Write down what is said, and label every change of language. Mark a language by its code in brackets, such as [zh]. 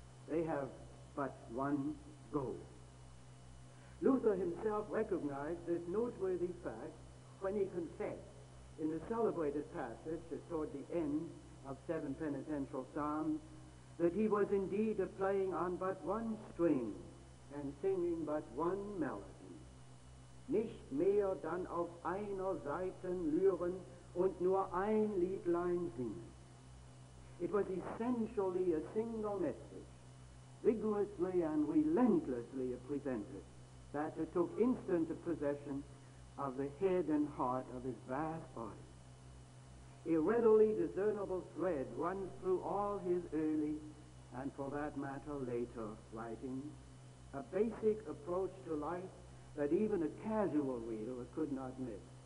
[en] They have but one goal. Luther himself recognized this noteworthy fact when he confessed in the celebrated passage toward the end of Seven Penitential Psalms, that he was indeed playing on but one string and singing but one melody. [de] Nicht mehr dann auf einer Seite lüren und nur ein Liedlein singen. [en] It was essentially a single message, vigorously and relentlessly presented, that it took instant possession of the head and heart of his vast body. A readily discernible thread runs through all his early, and for that matter later, writings, a basic approach to life that even a casual reader could not miss.